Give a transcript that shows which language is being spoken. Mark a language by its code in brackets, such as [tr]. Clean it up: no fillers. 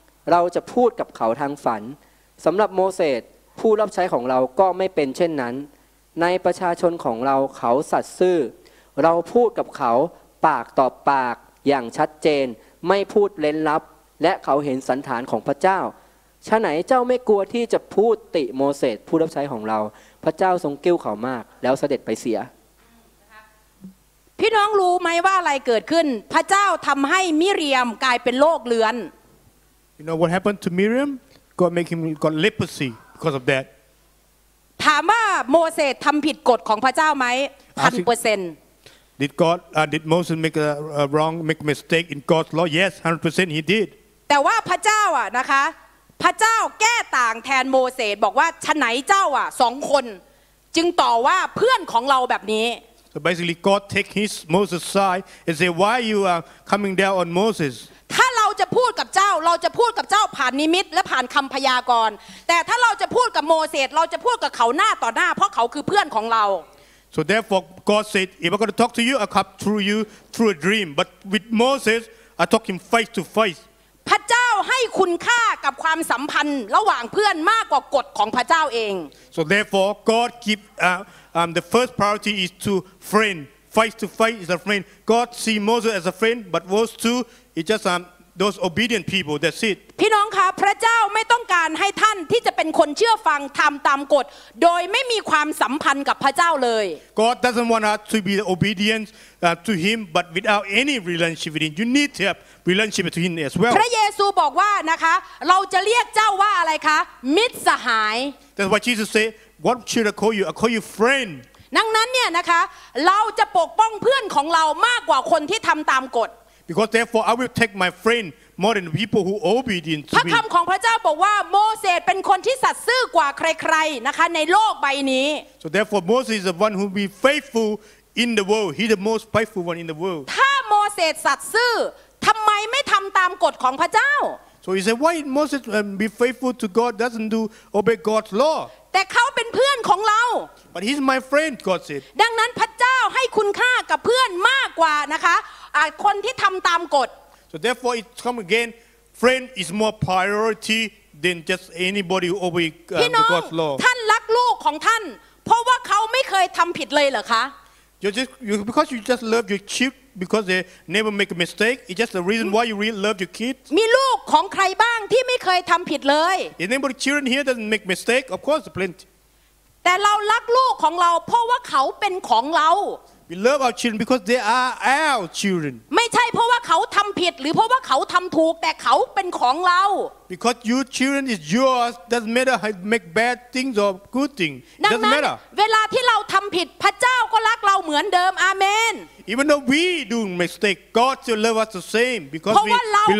[th] เราจะพูดกับเขาทางฝันสำหรับโมเสสผู้รับใช้ของเราก็ไม่เป็นเช่นนั้นในประชาชนของเราเขาสัตย์ซื่อเราพูดกับเขาปากต่อปากอย่างชัดเจนไม่พูดเล่นลับและเขาเห็นสันฐานของพระเจ้าชะไหนเจ้าไม่กลัวที่จะพูดติโมเสสผู้รับใช้ของเราพระเจ้าทรงกิ้วเขามากแล้วเสด็จไปเสีย พี่น้องรู้ไหมว่าอะไรเกิดขึ้นพระเจ้าทำให้มิเรียมกลายเป็นโรคเรื้อน [en] You know what happened to Miriam? God make him got leprosy because of that [th] ถามว่าโมเสสทำผิดกฎของพระเจ้าไหม 100% [en] Did God did Moses make a wrong make a mistake in God's law? Yes, 100% he did. [th] แต่ว่าพระเจ้าอ่ะนะคะพระเจ้าแก้ต่างแทนโมเสสบอกว่าฉะไหนเจ้าอ่ะ2คนจึงต่อว่าเพื่อนของเราแบบนี้ [en] So basically God take his Moses side and say why you are coming down on Moses? [th] ถ้าเราจะพูดกับเจ้าเราจะพูดกับเจ้าผ่านนิมิตและผ่านคําพยากรณ์แต่ถ้าเราจะพูดกับโมเสสเราจะพูดกับเขาหน้าต่อหน้าเพราะเขาคือเพื่อนของเรา [en] So therefore, God said, if I'm going to talk to you, I'll come through you through a dream. But with Moses, I talk him face to face. [th] พระเจ้าให้คุณค่ากับความสัมพันธ์ระหว่างเพื่อนมากกว่ากฎของพระเจ้าเอง [en] So therefore, God keep the first priority is to friend. Face to face is a friend. God see Moses as a friend, but verse 2, it's just those obedient people. That's it. [th] พี่น้องคะพระเจ้าไม่ต้องการให้ท่านที่จะเป็นคนเชื่อฟังทำตามกฎโดยไม่มีความสัมพันธ์กับพระเจ้าเลย [en] God doesn't want us to be obedient to him but without any relationship with him you need to have relationship with him as well [th] พระเยซูบอกว่านะคะเราจะเรียกเจ้าว่าอะไรคะมิตรสหาย [en] That's what Jesus said what should I call you I call you friend [th] ดังนั้นเนี่ยนะคะเราจะปกป้องเพื่อนของเรามากกว่าคนที่ทำตามกฎ [en] Because therefore I will take my friendMore than people who obedient to me. [th] พระคำของพระเจ้าบอกว่าโมเสสเป็นคนที่สัตย์ซื่อกว่าใครๆนะคะในโลกใบนี้ [en] So therefore Moses is the one who be faithful in the world. He's the most faithful one in the world. [th] ถ้าโมเสสสัตย์ซื่อทำไมไม่ทำตามกฎของพระเจ้า [en] So he said why Moses be faithful to God doesn't do obey God's law. [th] แต่เขาเป็นเพื่อนของเรา [en] But he's my friend, God said. [th] ดังนั้นพระเจ้าให้คุณค่ากับเพื่อนมากกว่านะคะคนที่ทำตามกฎ [en] So therefore, it comes again. Friend is more priority than just anybody who obey God's law. [th] ท่านรักลูกของท่านเพราะว่าเขาไม่เคยทำผิดเลยเหรอคะ [en] Because you just love your kid because they never make a mistake. It's just the reason why you really love your kid. [th] มีลูกของใครบ้างที่ไม่เคยทำผิดเลย [en] Is anybody children here doesn't make mistake? Of course, plenty. [th] แต่เรารักลูกของเราเพราะว่าเขาเป็นของเรา [en] We love our children because they are our children. [th] ไม่ใช่เพราะว่าเขาทำผิดหรือเพราะว่าเขาทำถูกแต่เขาเป็นของเรา [en] Because your children is yours, doesn't matter how you make bad things or good things. Doesn't matter. [th] เวลาที่เราทำผิดพระเจ้าก็รักเราเหมือนเดิม Amen. [en] Even though we do mistake, God still love us the same because we belong to Him.